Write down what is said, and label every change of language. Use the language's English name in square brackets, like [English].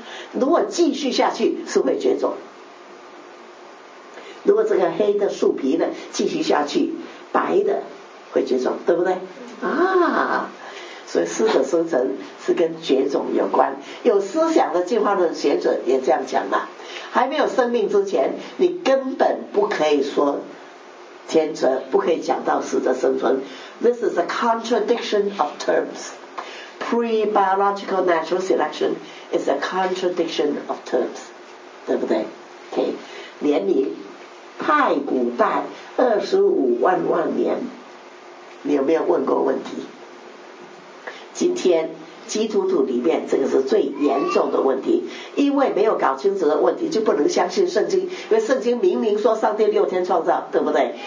[Chinese] 如果继续下去是会绝种，如果这个黑的树皮呢继续下去，白的会绝种，对不对啊？所以思者生成是跟绝种有关。有思想的进化论学者也这样讲嘛，还没有生命之前，你根本不可以说天择，不可以讲到死者生存。 [English] This is a contradiction of terms. Pre-biological natural selection is a contradiction of terms. [Chinese] 对不对？ OK， 连你太古代25万万年，你有没有问过问题？今天基督徒里面这个是最严重的问题，因为没有搞清楚的问题就不能相信圣经，因为圣经明明说上帝六天创造，对不对？